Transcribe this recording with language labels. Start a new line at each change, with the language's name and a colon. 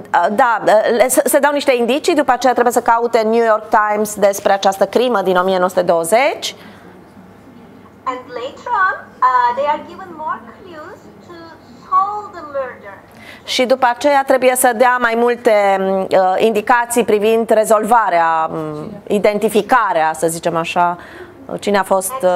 Romanian: Da, se dau niște indicii, după aceea trebuie să caute în New York Times despre această crimă din 1920.
English: And later on, they are given more clues to solve the murder.
Romanian: Și după aceea trebuie să dea mai multe indicații privind rezolvarea, identificarea, să zicem așa, cine a fost.